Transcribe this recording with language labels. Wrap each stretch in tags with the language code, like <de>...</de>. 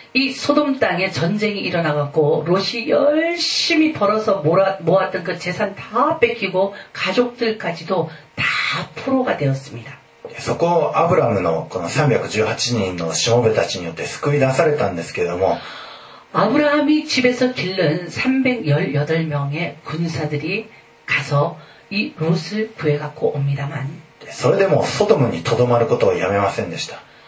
<ko>이소돔땅에전쟁이일어나갖고롯이열심히벌어서모았던그재산다뺏기고가족들까지도다포로가되었습니다</ko> <ja>そこをアブラムのこの318人のしもべたちによって救い出されたんですけれども</ja> <ko>아브라함이집에서길른318명의군사들이가서이롯을구해갖고옵니다만</ko> <ja>それでもソドムにとどまることをやめませんでした</ja>